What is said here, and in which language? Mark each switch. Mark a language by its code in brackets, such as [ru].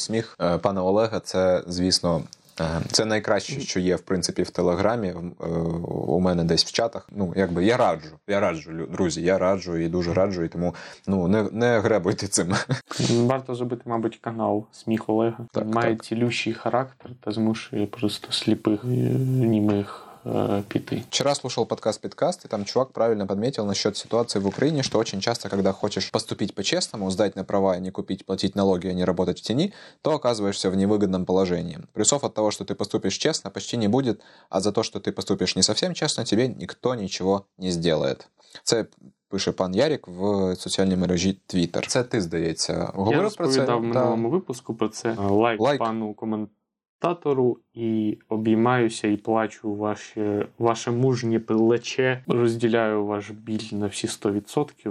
[uk] Сміх пана Олега, це, звісно, це найкраще, що є, в принципі, в Телеграмі, у мене десь в чатах. Ну, якби, я раджу, друзі, я раджу і дуже раджу, і тому, ну, не гребуйте цим. Варто зробити, мабуть, канал «Сміх Олега». Він має цілющий характер та змушує просто сліпих, німих піти. [ru] Вчера слушал подкаст, и там чувак правильно подметил насчет ситуации в Украине, что очень часто, когда хочешь поступить по-честному, сдать на права и не купить, платить налоги, а не работать в тени, то оказываешься в невыгодном положении. Плюсов от того, что ты поступишь честно, почти не будет, а за то, что ты поступишь не совсем честно, тебе никто ничего не сделает. [uk] Це пише пан Ярик в соціальній мережі Twitter. Це ти, здається, говорив про це? Я розповідав в минулому випуску про це. Лайк пану коментар. Татору і обіймаюся і плачу ваше мужнє плече, розділяю ваш біль на всі 100%.